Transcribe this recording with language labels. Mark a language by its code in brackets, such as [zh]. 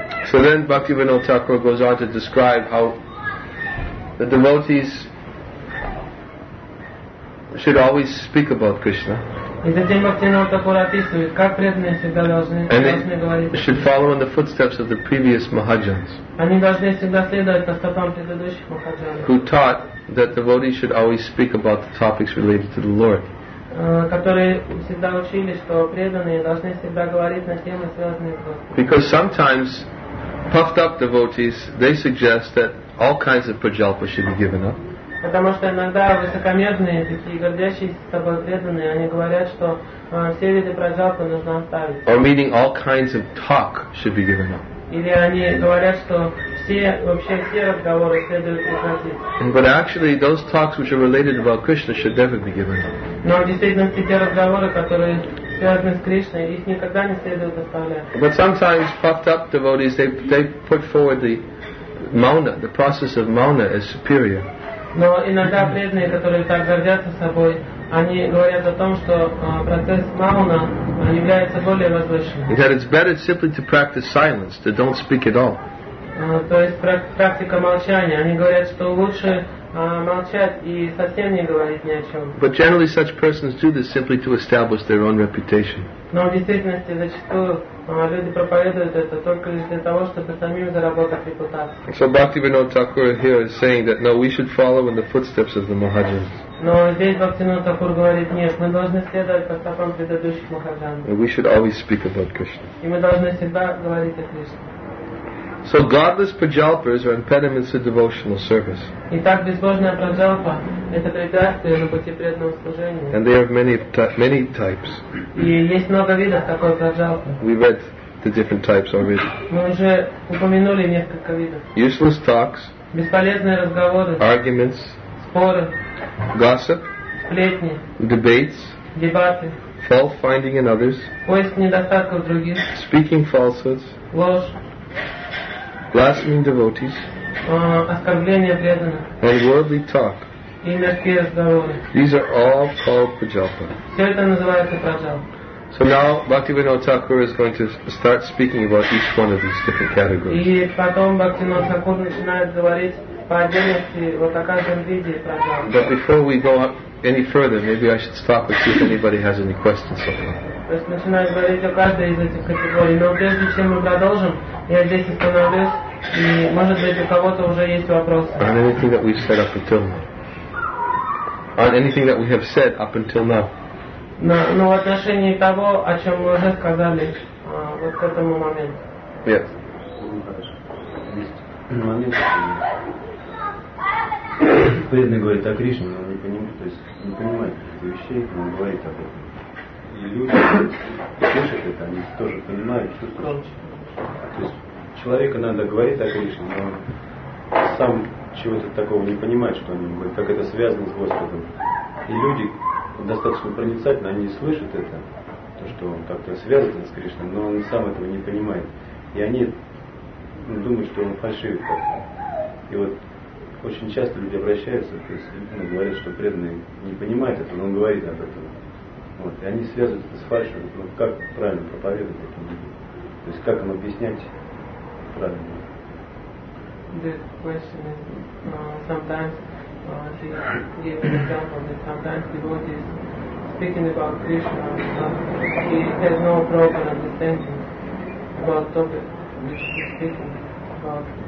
[en] So then Bhaktivinoda Thakur goes on to describe how the devotees should always speak about Krishna. [ru] И затем Бхактивинода Тхакур описывает, как преданные всегда должны говорить. [en] They should follow in the footsteps of the previous Mahajans. [ru] Они должны всегда следовать по стопам предыдущих Mahajans. [en] Who taught that devotees should always speak about the topics related to the Lord. [ru] Которые всегда учили, что преданные должны всегда говорить на темы, связанные с Господом. [en] Because sometimes puffed up devotees, they suggest that all kinds of prajalpa should be given up. [ru] Потому что иногда высокомерные такие гордящиеся собой преданные, они говорят, что все виды прожалпы нужно оставить. [en] Or meaning all kinds of talk should be given up. [ru] Или они говорят, что все вообще все разговоры следует прекратить. [en] But actually, those talks which are related about Krishna should never be given up. [ru] Но в действительности те разговоры, которые связаны с Кришной, их никогда не следует оставлять. [en] But sometimes puffed up devotees they put forward the mauna, the process of mauna as superior. [ru] Но иногда преданные, которые так гордятся собой, они говорят о том, что процесс мауна является более возвышенным. [en] That it's better simply to practice silence, to don't speak at all. [ru] То есть практика молчания. Они говорят, что лучше молчать и совсем не говорить ни о чем. [en] But generally such persons do this simply to establish their own reputation. [ru] Но в действительности зачастую люди проповедуют это только для того, чтобы самим заработать репутацию. [en] So Bhaktivinoda Thakur here is saying that no, we should follow in the footsteps of the Mahajans. [ru] Но здесь Бхактивинода Тхакур говорит, нет, мы должны следовать по стопам предыдущих Махаджан. [en] And we should always speak about Krishna. [ru] И мы должны всегда говорить о Кришне. [en] So godless prajalpas are impediments to devotional service. [ru] Итак, безбожная праджалпа – это препятствие на пути преданного служения. [en] And they have many types. [ru] И есть много видов такой праджалпы. [en] We read the different types already. [ru] Мы уже упомянули несколько видов. [en] Useless talks. [ru] Бесполезные разговоры. [en] Arguments. [ru] Споры. [en] Gossip. [ru] Сплетни. [en] Debates. [ru] дебаты, [en] fault finding in others, [ru] поиск недостатков других, [en] speaking falsehoods, [ru] ложь, [en] blaspheming devotees, [ru] оскорбление преданных, [en] and worldly talk. [ru] И мирские разговоры. [en] These are all called pajalpa. [ru] Все это называется праджал. [en] So now Bhaktivinoda Thakur is going to start speaking about each one of these different categories. [ru] И потом Бхактивинода Тхакур начинает говорить по отдельности вот о каждом виде праджал. [en] But before we go up any further, maybe I should stop and see if anybody has any questions so far. [ru] То есть начинает говорить о каждой из этих категорий. Но прежде чем мы продолжим, я здесь остановлюсь, и может быть у кого-то уже есть вопросы. [en] On anything that we've said up until now. On anything that we have said up until now. [ru] Но в отношении того, о чем мы уже сказали вот к этому моменту. [en] Yes. [ru] Момент. Преданный говорит о Кришне, но он не понимает, то есть не понимает этих вещей, но он говорит об этом. И люди слышат это, они тоже понимают, что короче. То есть человеку надо говорить о Кришне, но он сам чего-то такого не понимает, что он говорит, как это связано с Господом. И люди достаточно проницательно, они слышат это, то, что он как-то связан с Кришной, но он сам этого не понимает. И они думают, что он фальшивит как-то. И вот очень часто люди обращаются, то есть ну, говорят, что преданный не понимает это, но он говорит об этом. Вот. И они связывают это с фальшивым. Ну, как правильно проповедовать это? То есть как им объяснять правильно? [en] This question is sometimes she gave an example that sometimes devotees speaking about Krishna he has no proper understanding about topic which he's speaking about.